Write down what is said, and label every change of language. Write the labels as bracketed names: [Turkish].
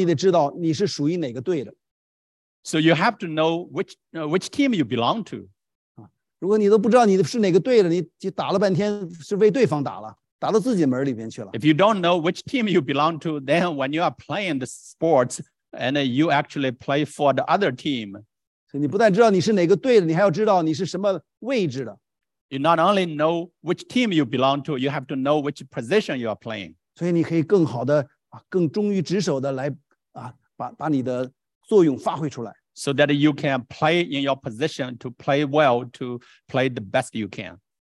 [Chinese] 所以最起码你得知道你是属于哪个队的。 [English] So you have to know which team you belong to. [Chinese] 如果你都不知道你是哪个队的,你打了半天是为对方打了。打到自己门里边去了。 [English] If you don't know which team you belong to, then when you are playing the sports and you actually play for the other team, [Chinese] 你不但知道你是哪个队的，你还要知道你是什么位置的。 [English] You not only know which team you belong to, you have to know which position you are playing. [Chinese] 所以你可以更好的，更忠于职守的来把你的作用发挥出来。 [English] So that you can play in your position to play well, to play the best you can.